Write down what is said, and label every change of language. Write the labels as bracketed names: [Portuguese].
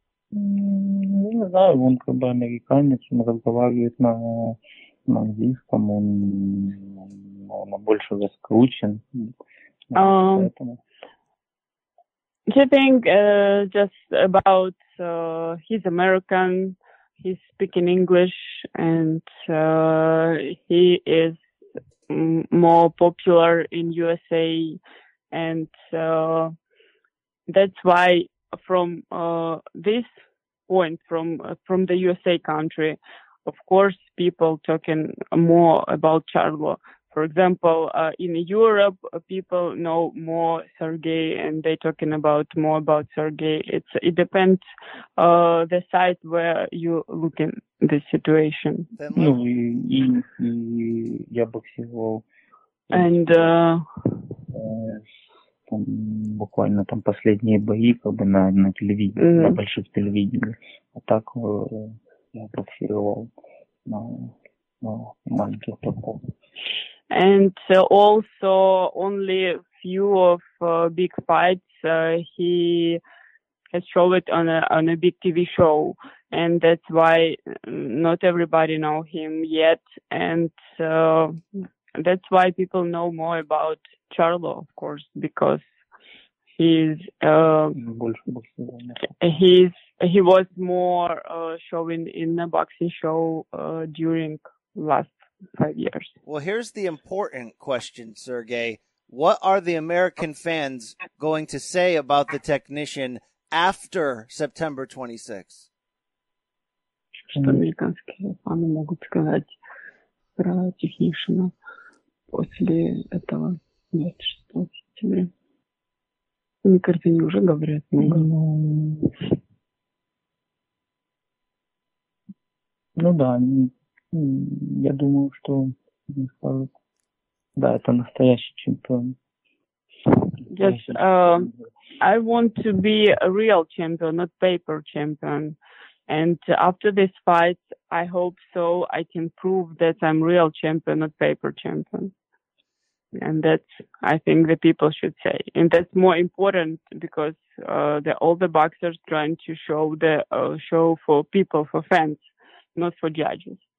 [Ukrainian] Ну, не знаю, вон хоба американець, він розмовляє на англійському, він більше розкручен. [English] You think just about he's American, he's speaking English, and he is more popular in USA, and that's why from this point from the USA country, of course, people talking more about Charlo. For example, in Europe, people know more Sergey, and they talking about more about Sergey. It depends the side where you look in the situation. [Ukrainian] Ну і я боксував. [English] And [Russian] буквально там последние бои, как бы на телевидении, на больших телевидениях. А так я боксировал на маленьких платформах. [English] And also only few of big fights he has showed on a big TV show, and that's why not everybody know him yet, and that's why people know more about Charlo, of course, because he was more showing in a boxing show during last 5 years. Well, here's the important question, Sergey. What are the American fans going to say about the technician after September 26th? [Russian] Что американские фаны могут сказать про техничного после этого 26 сентября? Мне кажется, они уже говорят много. Ну да, я думаю, что да, это настоящий чемпион. [English] Yes, I want to be a real champion, not paper champion. And after this fight, I hope so I can prove that I'm real champion, not paper champion. And that's, I think, the people should say. And that's more important because all the boxers trying to show the show for people, for fans, not for judges.